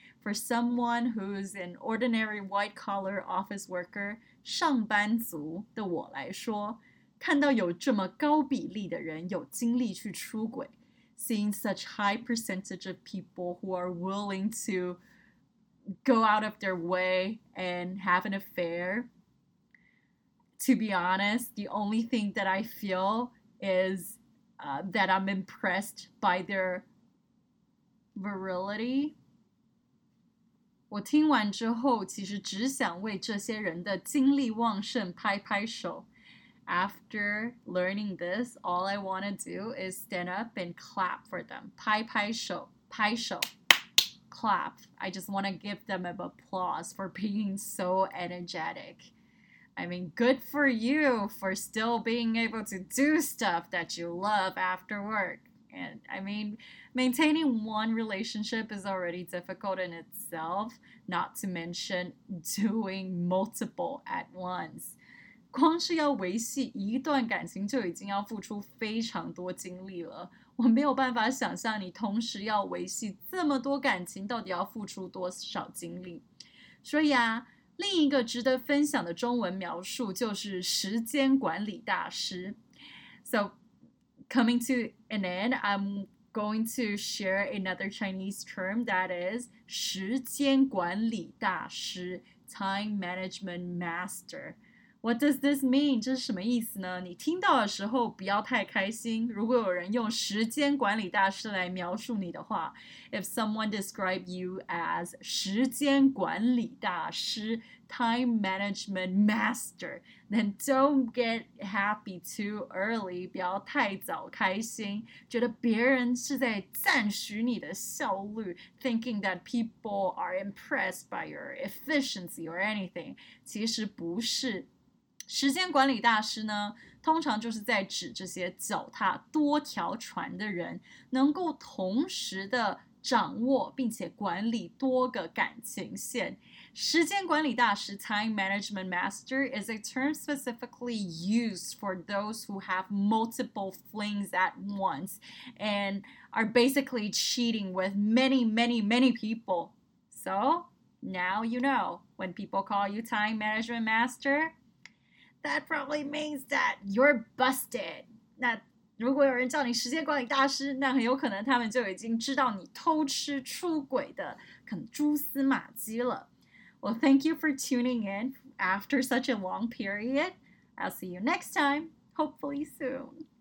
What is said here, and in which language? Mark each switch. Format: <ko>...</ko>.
<en>for someone who's an ordinary white collar office worker,</en> <zh>上班族的我来说，看到有这么高比例的人有精力去出轨，</zh> <en>seeing such high percentage of people who are willing to go out of their way and have an affair, to be honest, the only thing that I feel is that I'm impressed by their virility.</en> <zh>我听完之后其实只想为这些人的精力旺盛拍拍手。</zh> <en>After learning this, all I want to do is stand up and clap for them.</en> <zh>拍拍手，拍手。</zh> <en>Clap. I just want to give them an applause for being so energetic. I mean, good for you for still being able to do stuff that you love after work. And I mean, maintaining one relationship is already difficult in itself, not to mention doing multiple at once.</en> <zh>光是要维系一段感情就已经要付出非常多精力了，我没有办法想象你同时要维系这么多感情到底要付出多少精力。所以啊，另一个值得分享的中文描述就是时间管理大师。</zh> <en>So coming to an end, I'm going to share another Chinese term that is 时间管理大师， Time Management Master。 What does this mean?</en> <zh>这是什么意思呢？你听到的时候不要太开心。如果有人用时间管理大师来描述你的话，</zh> <en>If someone describes you as 时间管理大师， Time Management Master, then don't get happy too early.</en> <zh>不要太早开心，觉得别人是在赞许你的效率，</zh> <en>Thinking that people are impressed by your efficiency or anything.</en> <zh>其实不是。时间管理大师呢，通常就是在指这些脚踏多条船的人，能够同时的掌握并且管理多个感情线。</zh> <en>时间管理大师 Time Management Master is a term specifically used for those who have multiple flings at once and are basically cheating with many, many, many people. So, now you know, when people call you Time Management Master,That probably means that you're busted.</en> <zh>那如果有人叫你时间管理大师，那很有可能他们就已经知道你偷吃出轨的可能蛛丝马迹了。</zh> <en>Well, thank you for tuning in after such a long period. I'll see you next time, hopefully soon.</en>